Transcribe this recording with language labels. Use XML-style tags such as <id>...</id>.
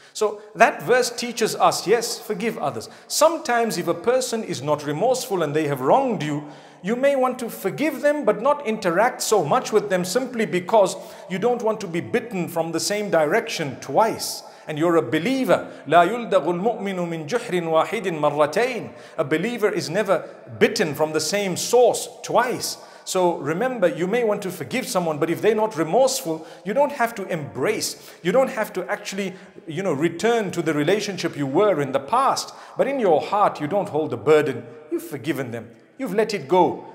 <en>So that verse teaches us, yes, forgive others. Sometimes if a person is not remorseful and they have wronged you, you may want to forgive them but not interact so much with them simply because you don't want to be bitten from the same direction twice. And you're a believer.</en> <ar>لا يلدغ المؤمن من جحر واحد مرتين.</ar> <en>A believer is never bitten from the same source twice. So remember, you may want to forgive someone, but if they're not remorseful, you don't have to embrace. You don't have to actually, you know, return to the relationship you were in the past. But in your heart, you don't hold the burden. You've forgiven them. You've let it go.</en>